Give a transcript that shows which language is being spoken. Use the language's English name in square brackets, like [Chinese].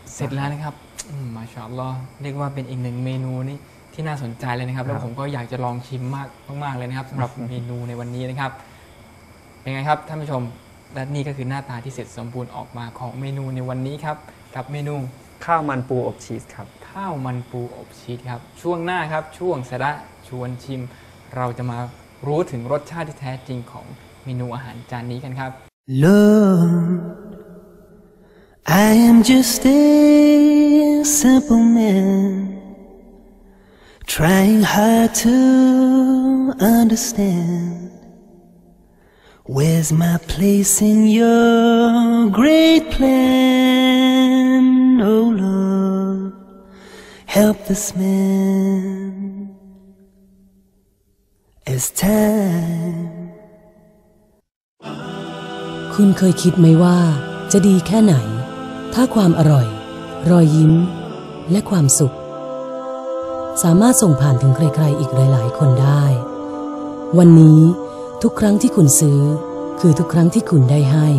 [Thai] เสร็จแล้วนะครับมาชาอัลลอฮ์เรียกว่าเป็นอีกหนึ่งเมนูนี่ที่น่าสนใจเลยนะครับแล้วผมก็อยากจะลองชิมมากมากๆเลยนะครับสำหรับเมนูในวันนี้นะครับเป็นไงครับท่านผู้ชมและนี่ก็คือหน้าตาที่เสร็จสมบูรณ์ออกมาของเมนูในวันนี้ครับกับเมนู ข้าวมันปูอบชีสครับ ข้าวมันปูอบชีสครับช่วงหน้าครับช่วงสระชวนชิมเราจะมารู้ถึงรสชาติที่แท้จริงของเมนูอาหารจานนี้กันครับ [English] Love I am just a simple man trying hard to understandWhere's my place in your great plan? Oh Lord, help this man as time. [Thai] คุณเคยคิดไหมว่าจะดีแค่ไหนถ้าความอร่อยรอยยิ้มและความสุขสามารถส่งผ่านถึงใครๆอีกหลายๆคนได้วันนี้ทุกครั้งที่คุณซื้อคือทุกครั้งที่คุณได้ใ